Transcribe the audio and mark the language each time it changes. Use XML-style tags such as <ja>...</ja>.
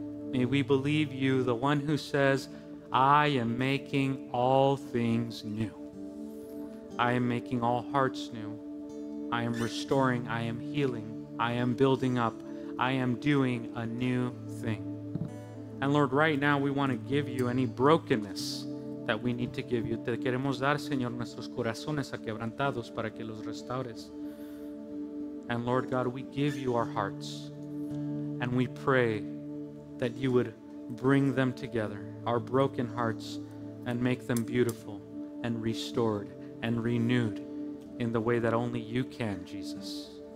<en>May we believe you, the one who says, I am making all things new. I am making all hearts new. I am restoring. I am healing. I am building up. I am doing a new thing. And Lord, right now we want to give you any brokenness that we need to give you.</en> <es>Te queremos dar, Señor, nuestros corazones aquebrantados para que los restaures.</es> <en>And Lord God, we give you our hearts. And we pray that you would bring them together, our broken hearts, and make them beautiful and restored and renewed in the way that only you can, Jesus.</en>